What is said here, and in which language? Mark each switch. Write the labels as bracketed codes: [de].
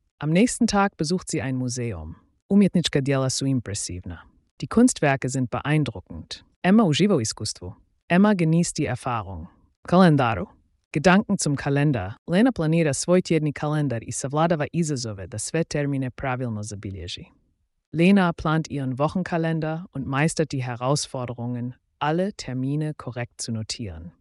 [de] Am nächsten Tag besucht sie ein Museum. [hr] Umjetnička djela su impresivna. [de] Die Kunstwerke sind beeindruckend. [hr] Emma uživa u iskustvu. [de] Emma genießt die Erfahrung. Kalendaru. Gedanken zum Kalender. [hr] Lena planira svoj tjedni kalendar i savladava izazove da sve termine pravilno zabilježi. [de] Lena plant ihren Wochenkalender und meistert die Herausforderungen, alle Termine korrekt zu notieren.